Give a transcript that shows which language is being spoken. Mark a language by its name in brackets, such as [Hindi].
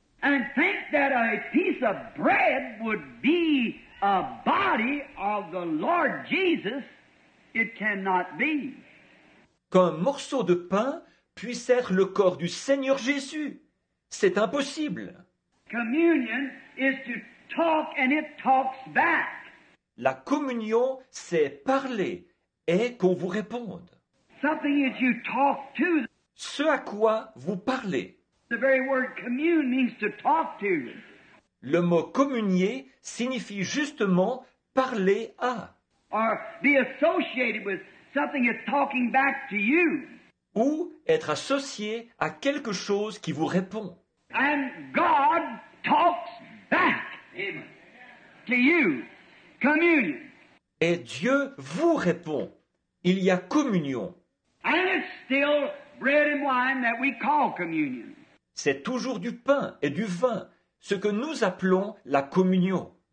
[English] And think that a piece of bread would be a body of the Lord Jesus, it cannot be. [French] Qu'un morceau de pain puisse être le corps du Seigneur Jésus, c'est impossible. [English] Communion is to talk and it talks back. [French] La communion, c'est parler et qu'on vous réponde. [English] Something is you talk to. [French] Ce à quoi vous parlez. [English] The very word commune means to talk to. [French] Le mot communier signifie justement parler à. [English] Or be associated with something that's talking back to you. [French] Ou être associé à quelque chose qui vous répond. [English] And God talks back to you. Communion. [French] Et Dieu vous répond. Il y a communion. [English] And it's still bread and wine that we call communion. [French] C'est toujours du pain et du vin. Ce que nous appelons la communion.